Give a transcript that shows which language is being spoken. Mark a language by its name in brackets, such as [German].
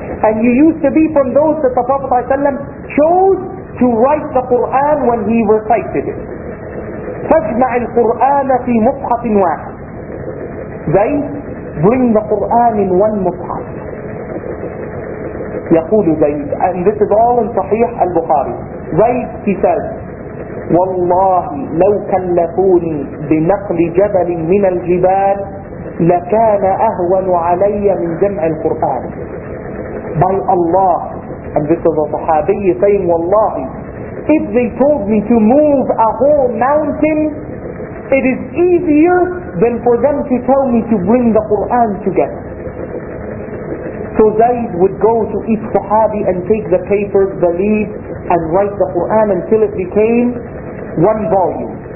[English] And you used to be from those that the Prophet ﷺ chose to write the Qur'an when he recited it. [Arabic] فَاجْمَعِ الْقُرْآنَ فِي مُصْحَفٍ وَاحِدٍ. [English] They bring the Qur'an in one mushaf. [Arabic] يقول زيد, [English] and this is all in صحيح البخاري. [Arabic] زيد, [English] he says, [Arabic] والله لو كلفوني بنقل جبل من الجبال لكان أهون علي من جمع القرآن. [English] By Allah, and this is a صحابي saying, والله, if they told me to move a whole mountain, it is easier than for them to tell me to bring the Quran together. So Zayd would go to each Sahabi and take the papers, the leaves, and write the Qur'an until it became one volume.